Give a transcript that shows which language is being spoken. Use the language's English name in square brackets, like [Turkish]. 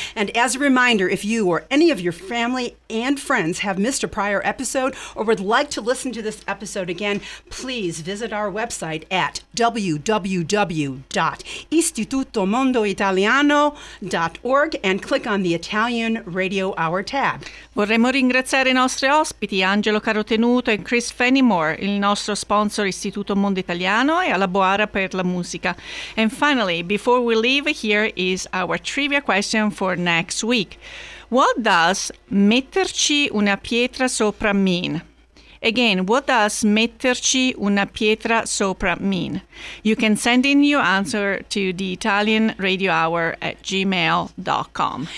[English] And as a reminder, if you or any of your family and friends have missed a prior episode or would like to listen to this episode again, please visit our website at www.istitutomondoitaliano.org and click on the Italian Radio Hour tab. [Italian] Vorremmo ringraziare i nostri ospiti, Angelo Carotenuto e Chris Fenimore, il nostro sponsor Istituto Mondo Italiano e alla Boara per la musica. [English] And finally, before we leave, here is our trivia question for next week. What does [Italian] metterci una pietra sopra [English] mean? Again, what does [Italian] metterci una pietra sopra [English] mean? You can send in your answer to theitalianradiohour@gmail.com.